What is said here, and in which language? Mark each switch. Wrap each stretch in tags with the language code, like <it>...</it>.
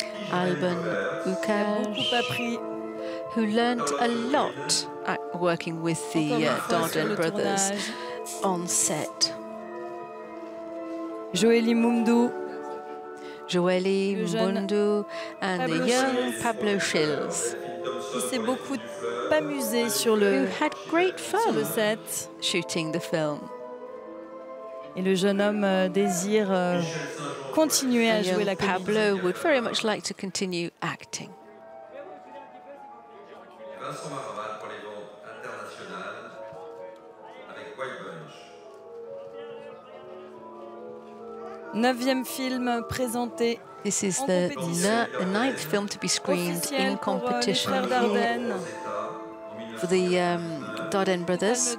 <en>Alban Hukage, who learned a lot at working with the Dardenne brothers on set. Joëlie Mundou. Joëlie Mundou and the young Pablo Schills.</en> <fr>Qui s'est beaucoup amusé sur le</fr> <en>set. Who had great fun shooting the film.</en> <fr>Et le jeune homme désire continuer à jouer la comédie.</fr> <en>Pablo would very much like to continue acting.</en> <fr>Neuvième film présenté.</fr> <en>This is the ninth film to be screened in competition for the Dardenne brothers.</en>